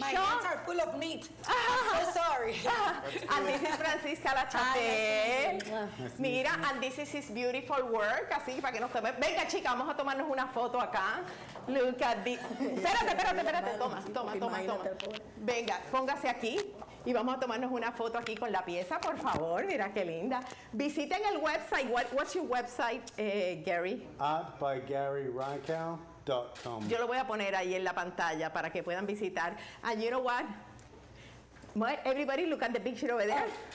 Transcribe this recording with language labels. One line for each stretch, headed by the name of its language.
English: My hands are full of meat. I'm so sorry. And this is Francisca La Chapel.
Spanish: Mira,
English: and this is his beautiful work.
Spanish: Así, para que nos tome. Venga, chica, vamos a tomarnos una foto acá.
English: Look at this.
Spanish: Espérate. Toma. Venga, póngase aquí. Y vamos a tomarnos una foto aquí con la pieza, por favor. Mira qué linda. Visiten el website.
English: What's your website, Gary? Artbygaryreinkel.com.
Spanish: Yo lo voy a poner ahí en la pantalla para que puedan visitar.
English: And you know what? Everybody look at the picture over there.